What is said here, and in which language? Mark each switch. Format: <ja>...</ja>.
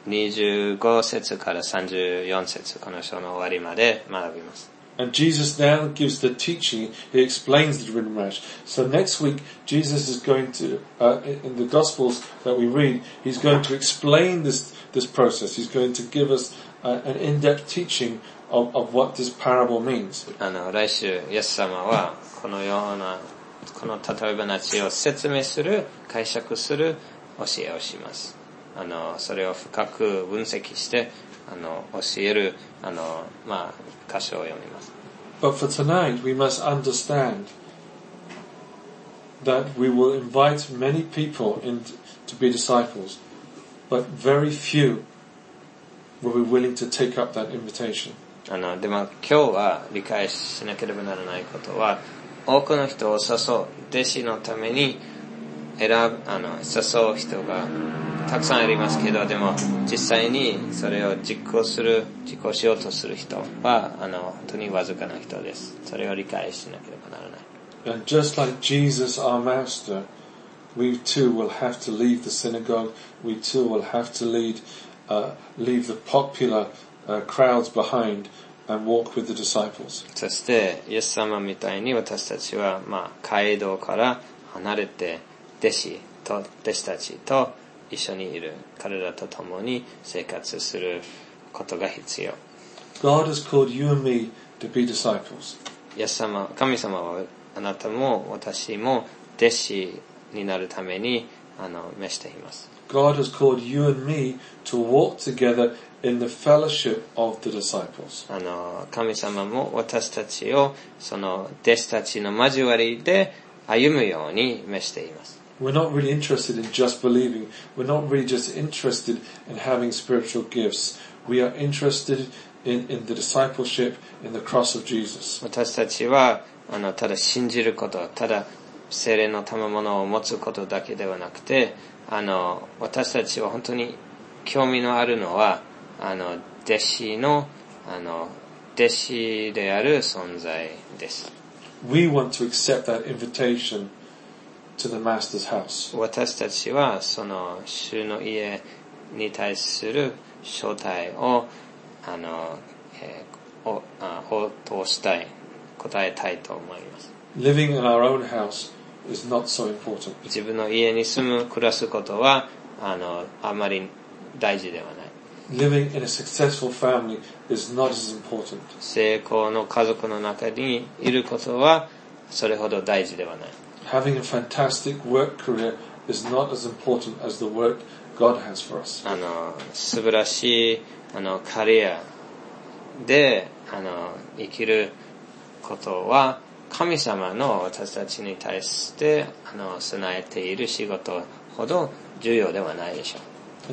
<ja>来週は25節から34節、この章の終わりまで学びます。</ja> <en>And Jesus now gives the teaching, he explains the rich man. So next week, Jesus is going to, in the Gospels that we read, he's going to explain this process. He's going to give us an in-depth teaching of what this parable means.</en> <ja>来週、イエス様は、このような、この例え話を説明する、解釈する教えをします。それを深く分析して、教える、箇所を読みます。</ja> <en>But for tonight, we must understand that we will invite many people to be disciples, but very few will be willing to take up that invitation.</en> <ja>でも今日は理解しなければならないことは、多くの人を誘う、弟子のために誘う人がたくさんありますけど、でも実際にそれを実行しようとする人は本当にわずかな人です。それを理解しなければならない。</ja> <en>And just like Jesus, our master, we too will have to leave the synagogue. We too will have to leave the popular crowds behind and walk with the disciples.</en> <ja>そしてイエス様みたいに私たちは街道から離れて弟子たちと一緒にいる、彼らと共に生活することが必要。</ja> <en>God has called you and me to be disciples.</en> <ja>神様はあなたも私も弟子になるために召しています。</ja> <en>God has called you and me to walk together in the fellowship of the disciples.</en> <ja>神様も私たちをその弟子たちの交わりで歩むように召しています。</ja> <en>We're not really interested in just believing. We're not really just interested in having spiritual gifts. We are interested in the discipleship, in the cross of Jesus.</en> <ja>私たちはあのただ信じること、ただ聖霊の賜物を持つことだけではなくて、あの私たちは本当に興味のあるのはあの弟子のあの弟子である存在です。</ja> <en>We want to accept that invitation to the Master's house.</en> <ja>私たちはその主の家に対する招待をあの、応答したい、答えたいと思います。</ja> <en>Living in our own house is not so important.</en> <ja>自分の家に住む、暮らすことはあの、あまり大事ではない。</ja> <en>Living in a successful family is not as important.</en> <ja>成功の家族の中にいることはそれほど大事ではない。</ja> <en>Having a fantastic work career is not as important as the work God has for us.</en> <ja>あの、素晴らしいあのキャリアで、あの、生きることは神様の私たちに対してあの、備えている仕事ほど重要ではないでしょう。</ja>